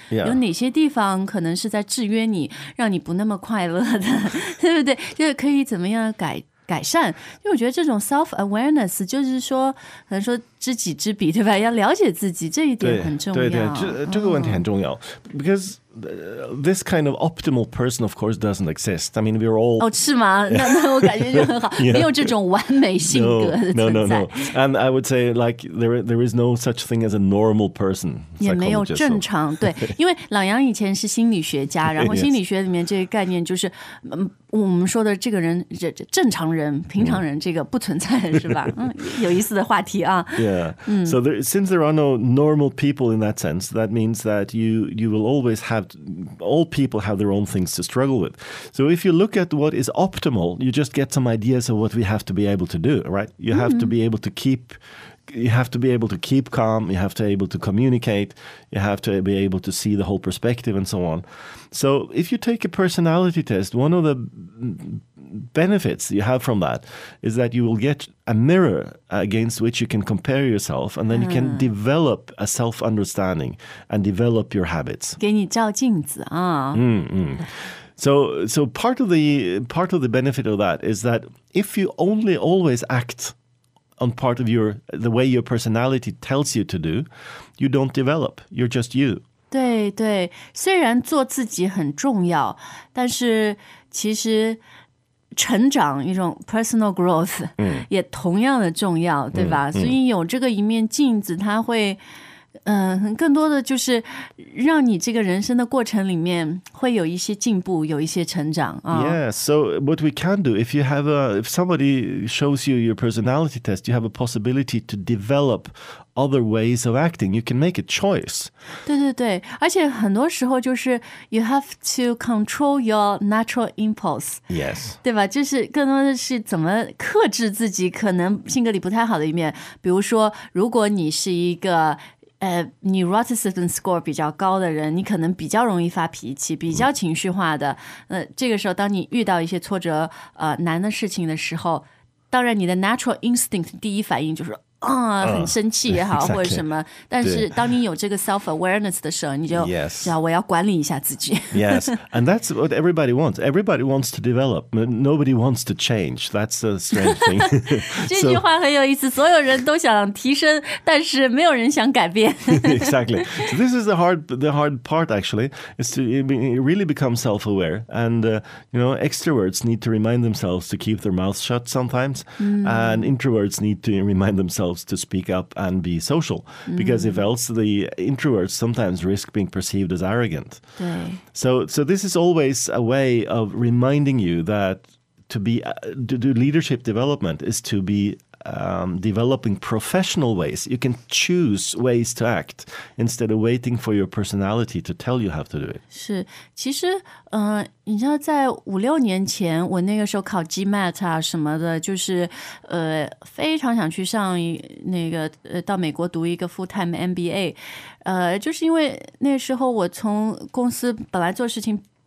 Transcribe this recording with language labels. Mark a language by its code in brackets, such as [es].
[en] yeah. [zh] 有哪些地方可能是在制约你，让你不那么快乐的，对不对？就是可以怎么样改善，因为我觉得这种 self-awareness 就是说，可能说知己知彼，对吧？要了解自己，这一点很重要。对，这个问题很重要、 [en] because this kind of optimal person, of course, doesn't exist. I mean, we're all... [zh] 哦，是吗？那我感觉就很好，yeah. 没有这种完美性格的存在。 [en] No. And I would say, like, there is no such thing as a normal person. [zh] 也没有正常，对。因为老杨以前是心理学家，然后心理学里面这个概念就是我们说的这个人正常人平常人这个不存在是吧有意思的话题啊 [en] Yeah. So there, since there are no normal people in that sense, that means that you will always have, all people have their own things to struggle with. So if you look at what is optimal, you just get some ideas of what we have to be able to do, right? You have to be able to keep, you have to be able to keep calm, you have to be able to communicate, you have to be able to see the whole perspective and so on. So if you take a personality test, one of the benefits you have from that is that you will get a mirror against which you can compare yourself and then you can develop a self-understanding and develop your habits. [zh] 给你照镜子啊。 [en] So part of the benefit of that is that if you only always act on part of the way your personality tells you to do, you don't develop. You're just you. [zh] 对，虽然做自己很重要，但是其实成长一种 personal growth 也同样的重要，对吧？所以有这个一面镜子，它会更多的就是让你这个人生的过程里面会有一些进步，有一些成长啊。 [en] So what we can do, if somebody shows you your personality test, you have a possibility to develop other ways of acting. You can make a choice. [zh] 对，而且很多时候就是 [en] you have to control your natural impulse. Yes. [zh] 对吧？就是更多的是怎么克制自己可能性格里不太好的一面。比如说，如果你是一个neuroticism score 比较高的人，你可能比较容易发脾气，比较情绪化的。这个时候，当你遇到一些挫折、难的事情的时候，当然你的 natural instinct 第一反应就是很生气也好、 [en] exactly. [zh] 或者什么。但是当你有这个 self awareness 的时候，你就要我要管理一下自己。 [en] Yes, and that's what everybody wants. Everybody wants to develop, but nobody wants to change. That's the strange thing. [zh] 这句话很有意思。所有人都想提升，但是没有人想改变。 [en] Exactly. So this is the hard part. Actually, is to really become self aware. And you know, extroverts need to remind themselves to keep their mouths shut sometimes, and introverts need to remind themselves themselves to speak up and be social. Mm-hmm. Because if else, the introverts sometimes risk being perceived as arrogant. So this is always a way of reminding you that to be to do leadership development is to be developing professional ways. You can choose ways to act instead of waiting for your personality to tell you how to do it. [zh] 是，其实，你知道，在五六年前，我那个时候考 GMAT 啊什么的，就是，非常想去上那个到美国读一个 full time MBA， 就是因为那时候我从公司本来做事情。